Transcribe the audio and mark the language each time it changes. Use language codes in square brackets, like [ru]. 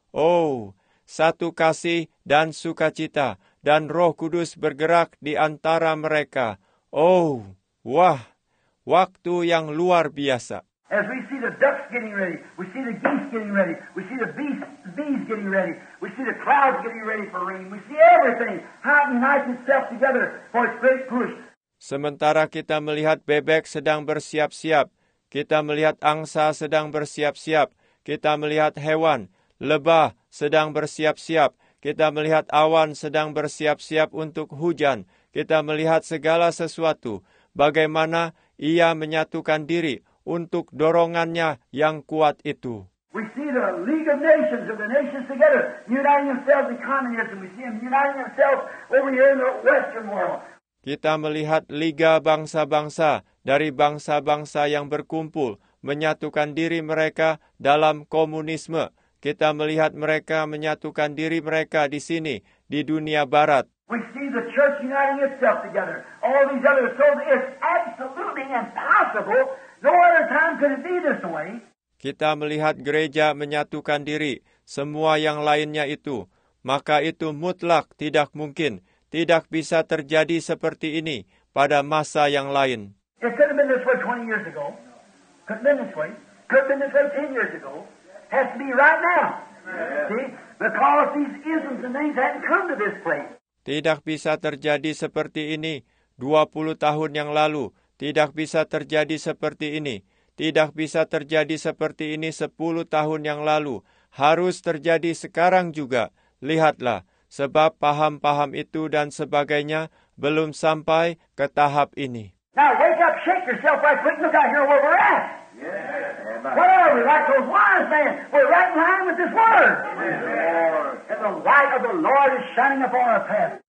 [id] Oh, satu kasih dan sukacita, dan Roh Kudus bergerak di antara mereka. Oh, wah, waktu yang luar biasa. [en] As we see the ducks getting ready, we see the geese getting ready, we see the bees getting ready, we see the clouds getting ready for rain, we see everything, how it unites itself together for its great push. [id] Sementara kita melihat bebek sedang bersiap-siap, kita melihat angsa sedang bersiap-siap, kita melihat hewan, lebah sedang bersiap-siap, kita melihat awan sedang bersiap-siap untuk hujan, kita melihat segala sesuatu, bagaimana ia menyatukan diri untuk dorongannya yang kuat itu. [en] We see the League of Nations, of the nations together, uniting themselves in communism. We see them uniting themselves over here in the Western world. [id] Kita melihat Liga Bangsa-Bangsa dari bangsa-bangsa yang berkumpul, menyatukan diri mereka dalam komunisme. Kita melihat mereka menyatukan diri mereka di sini, di dunia barat. [en] We see the church uniting itself together. All these other souls, it's absolutely impossible. No other time could it be this way. [id] Kita melihat gereja menyatukan diri, semua yang lainnya itu. Maka itu mutlak tidak mungkin, tidak bisa terjadi seperti ini pada masa yang lain. [en] It could have been this way 20 years ago. Could have been this way. Could have been this way 10 years ago. Has to be right now. See? Because these isms and things hadn't come to this place. [id] Tidak bisa terjadi seperti ini 20 tahun yang lalu. Tidak bisa terjadi seperti ini. Tidak bisa terjadi seperti ini 10 tahun yang lalu. Harus terjadi sekarang juga. Lihatlah, sebab paham-paham itu dan sebagainya belum sampai ke tahap ini. [en] Now wake up, shake yourself right quick, look out here where we're at. What are we? Like those wise men. We're right in line with this word. And the light of the Lord is shining upon our path.